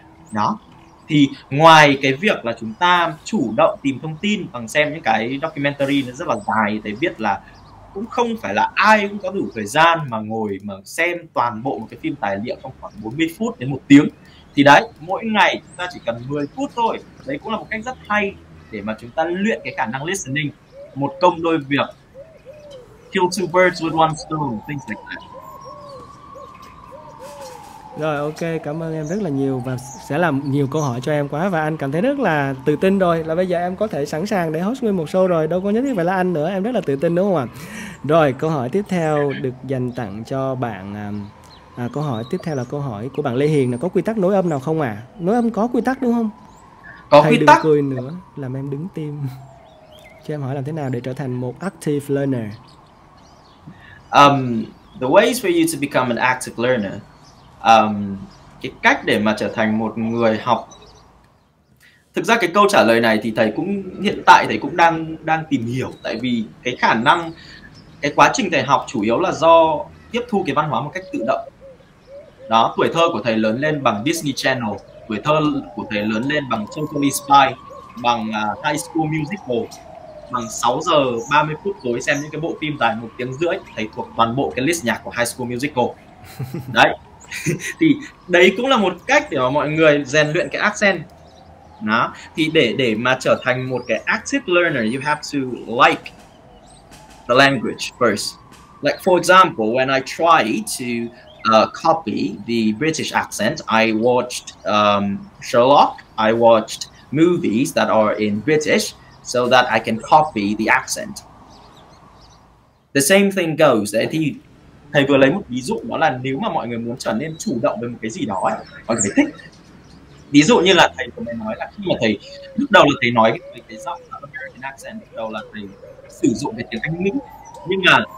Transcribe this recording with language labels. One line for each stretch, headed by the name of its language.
Vietnamese: Đó, thì ngoài cái việc là chúng ta chủ động tìm thông tin bằng xem những cái documentary nó rất là dài, thầy biết là cũng không phải là ai cũng có đủ thời gian mà ngồi mà xem toàn bộ một cái phim tài liệu trong khoảng 40 phút đến một tiếng. Thì đấy, mỗi ngày chúng ta chỉ cần 10 phút thôi, đấy cũng là một cách rất hay để mà chúng ta luyện cái khả năng listening. Một công đôi việc,
English: kill two birds with one stone, things like that.
Vietnamese: Rồi, ok, cảm ơn em rất là nhiều và sẽ làm nhiều câu hỏi cho em quá, và anh cảm thấy rất là tự tin rồi, là bây giờ em có thể sẵn sàng để host nguyên một show rồi, đâu có nhất thiết phải là anh nữa, em rất là tự tin đúng không ạ? Rồi, câu hỏi tiếp theo được dành tặng cho bạn, câu hỏi tiếp theo là câu hỏi của bạn Lê Hiền, là có quy tắc nối âm nào không ạ? À? Nối âm có quy tắc đúng không? Có thầy quy đừng tắc. Cười nữa, làm em đứng tim. Cho em hỏi làm thế nào để trở thành một active learner?
English: The ways for you to become an active learner.
Vietnamese: Cái cách để mà trở thành một người học, thực ra cái câu trả lời này thì thầy cũng hiện tại thầy cũng đang tìm hiểu, tại vì cái khả năng, cái quá trình thầy học chủ yếu là do tiếp thu cái văn hóa một cách tự động. Đó, tuổi thơ của thầy lớn lên bằng Disney Channel, tuổi thơ của thầy lớn lên bằng Totally Spy, bằng High School Musical, bằng 6 giờ 30 phút tối xem những cái bộ phim dài 1 tiếng rưỡi, thầy thuộc toàn bộ cái list nhạc của High School Musical. Đấy. Thì đấy cũng là một cách để mà mọi người rèn luyện cái accent. Đó, thì để mà trở thành một cái active learner,
English: you have to like the language first. Like for example, when I try to copy the British accent, I watched Sherlock, I watched movies that are in British so that I can copy the accent. The same thing goes.
Vietnamese: Thầy vừa lấy một ví dụ, đó là nếu mà mọi người muốn trở nên chủ động về một cái gì đó ấy, mọi người thích. Ví dụ như là thầy vừa nói là khi mà thầy lúc đầu là thầy nói cái giọng American accent, lúc đầu là thầy sử dụng cái tiếng Anh Mỹ, nhưng mà